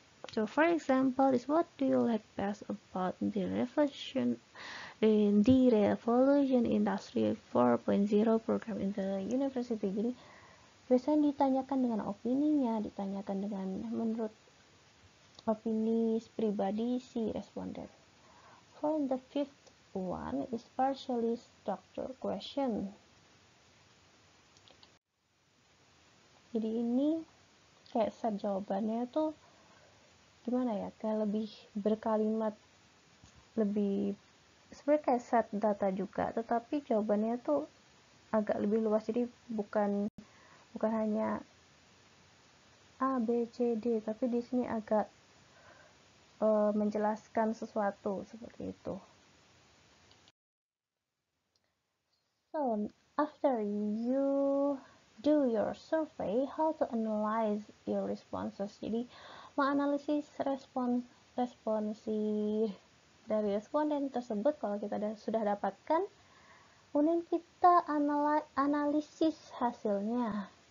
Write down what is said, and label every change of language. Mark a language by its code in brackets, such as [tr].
[en] So for example is what do you like best about the revolution industry 4.0 program in the university. [id] Jadi biasanya ditanyakan dengan opininya, ditanyakan dengan menurut opini pribadi si responden. [en] For the fifth one is partially structured question. [id] Jadi ini kayak set jawabannya tuh gimana ya? Kayak lebih berkalimat, lebih sebenarnya kayak set data juga, tetapi jawabannya tuh agak lebih luas. Jadi bukan hanya A, B, C, D, tapi di sini agak menjelaskan sesuatu seperti itu. [en] So, after you do your survey, how to analyze your responses? [id] Jadi, menganalisis responsi dari responden tersebut, kalau kita sudah dapatkan, kemudian kita analisis hasilnya.